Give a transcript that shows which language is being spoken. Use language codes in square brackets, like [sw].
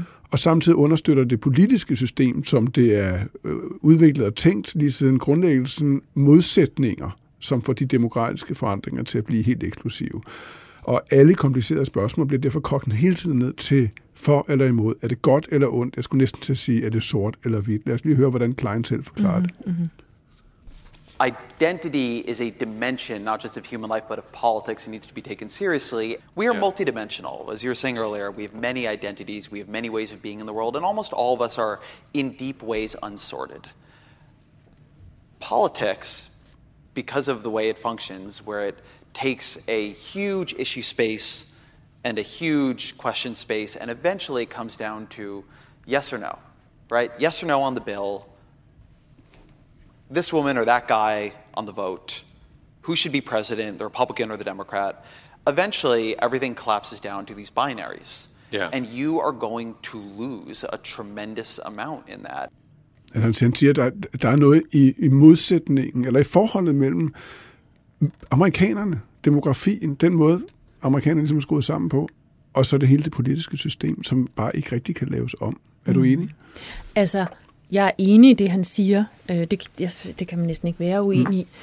[da] Og samtidig understøtter det politiske system, som det er udviklet og tænkt, lige siden grundlæggelsen, modsætninger, som får de demokratiske forandringer til at blive helt eksklusive. Og alle komplicerede spørgsmål bliver derfor kogt hele tiden ned til for eller imod. Er det godt eller ondt? Jeg skulle næsten til at sige, er det sort eller hvidt? Lad os lige høre, hvordan Klein selv forklarer det. [en] Identity is a dimension, not just of human life, but of politics, and needs to be taken seriously. We are multidimensional. As you were saying earlier, we have many identities, we have many ways of being in the world, and almost all of us are in deep ways unsorted. Politics, because of the way it functions, where it takes a huge issue space and a huge question space, and eventually it comes down to yes or no, right? Yes or no on the bill. This woman or that guy on the vote, who should be president, the Republican or the Democrat, eventually everything collapses down to these binaries. Yeah. And you are going to lose a tremendous amount in that. [da] At han siger, at der er noget i modsætningen, eller i forholdet mellem amerikanerne, demografien, den måde amerikanerne ligesom er skruet sammen på, og så det hele det politiske system, som bare ikke rigtig kan laves om. Er du enig? Altså, jeg er enig i det, han siger. Det kan man næsten ikke være uenig i.